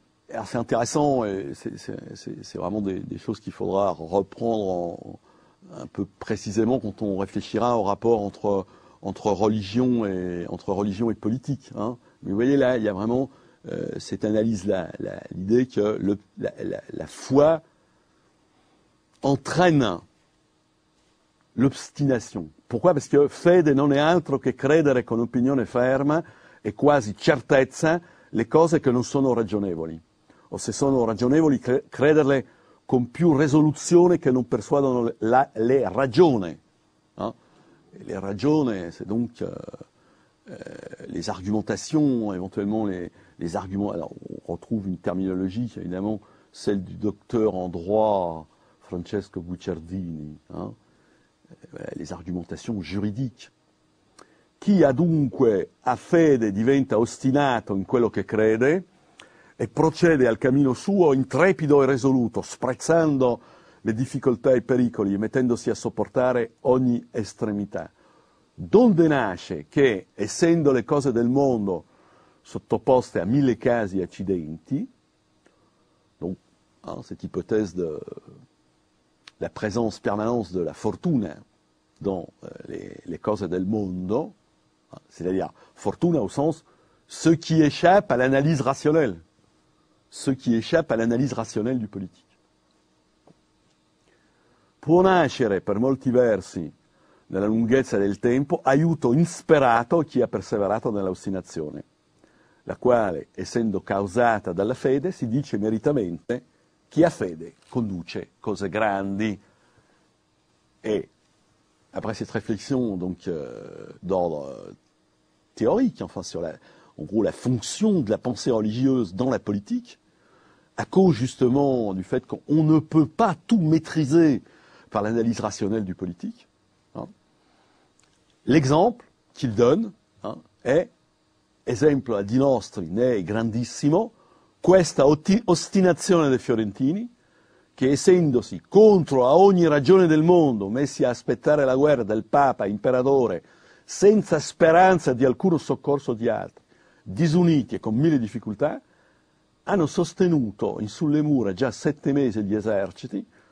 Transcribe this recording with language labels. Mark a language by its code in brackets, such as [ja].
[fr] Alors c'est intéressant et c'est vraiment des choses qu'il faudra reprendre un peu précisément quand on réfléchira au rapport entre religion et politique. Hein. Mais vous voyez là, il y a vraiment cette analyse-là, l'idée que la foi entraîne l'obstination. Pourquoi? [it] Parce que fede non è altro che credere con opinione ferma e quasi certezza le cose che non sono ragionevoli. O se sono ragionevoli, crederle con più risoluzione che non persuadano le ragioni. [fr] Hein? Les ragioni, c'est donc les argumentations, éventuellement les arguments. Alors, on retrouve une terminologie, évidemment, celle du docteur en droit Francesco Guicciardini. Hein? Les argumentations juridiques. [it] Chi adunque ha fede diventa ostinato in quello che crede. E procede al cammino suo intrepido e risoluto, sprezzando le difficoltà e i pericoli, mettendosi a sopportare ogni estremità. Donde nasce che, essendo le cose del mondo sottoposte a mille casi e accidenti, [fr] donc, hein, cette hypothèse de la présence permanente de la fortuna dans les [it] cose del mondo, [fr] hein, c'est-à-dire fortuna au sens ce qui échappe à l'analyse rationnelle. Ce qui échappe à l'analyse rationnelle du politique. [it] Può nascere per molti versi nella lunghezza del tempo aiuto insperato a chi ha perseverato nell'ostinazione, la quale, essendo causata dalla fede, si dice meritamente chi ha fede conduce cose grandi. [fr] Et après cette réflexion d'ordre théorique, enfin sur en gros la fonction de la pensée religieuse dans la politique, à cause justement du fait qu'on ne peut pas tout maîtriser par l'analyse rationnelle du politique. Hein. L'exemple qu'il donne hein, est [it] Esempio di nostri ne grandissimo, questa ostinazione dei fiorentini, che essendosi contro a ogni ragione del mondo messi a aspettare la guerra del Papa, imperatore, senza speranza di alcun soccorso di altri, disuniti e con mille difficoltà, hanno sostenuto in sulle mura già 7 mesi gli eserciti,